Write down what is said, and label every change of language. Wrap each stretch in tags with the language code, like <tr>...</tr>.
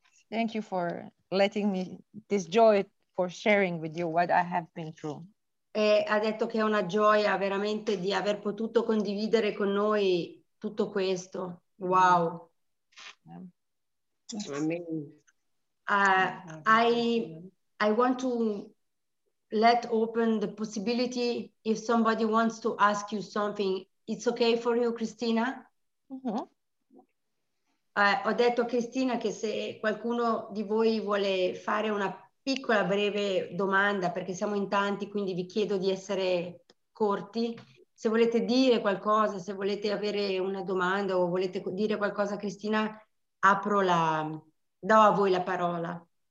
<en>Thank you for letting me this joy for sharing with you what I have been through.</en> <it>E ha detto che è una gioia veramente di aver potuto condividere con noi tutto questo.</it> <en>Wow. I want to let open the possibility if somebody wants to ask you something. It's okay for you, Cristina? Mm-hmm.</en> <it>Ho detto a Cristina che se qualcuno di voi vuole fare una piccola breve domanda, perché siamo in tanti, quindi vi chiedo di essere corti, se volete dire qualcosa, se volete avere una domanda o volete dire qualcosa a Cristina, do a voi la parola.</it>